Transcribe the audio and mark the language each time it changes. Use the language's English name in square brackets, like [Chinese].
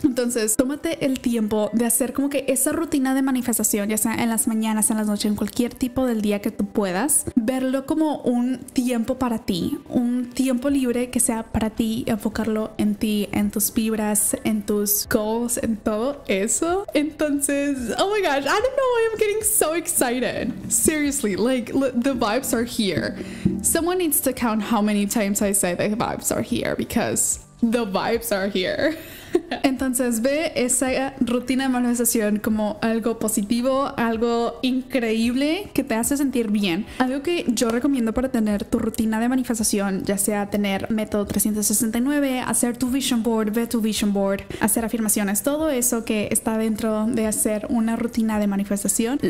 [Spanish] Entonces, tómate el tiempo de hacer como que esa rutina de manifestación, ya sea en las mañanas, en las noches, en cualquier tipo del día que tú puedas, verlo como un tiempo para ti, un tiempo libre que sea para ti, enfocarlo en ti, en tus vibras, en tus goals, en todo eso. [English] Entonces, oh my gosh, I don't know why I'm getting so excited. Seriously, like, the vibes are here. Someone needs to count how many times I say that. Vibes are here because the vibes are here. [Spanish] Entonces ve esa rutina de manifestación como algo positivo, algo increíble que te hace sentir bien. Algo que yo recomiendo para tener tu rutina de manifestación, ya sea tener método 369, hacer tu vision board, ve tu vision board, hacer afirmaciones, todo eso que está dentro de hacer una rutina de manifestación.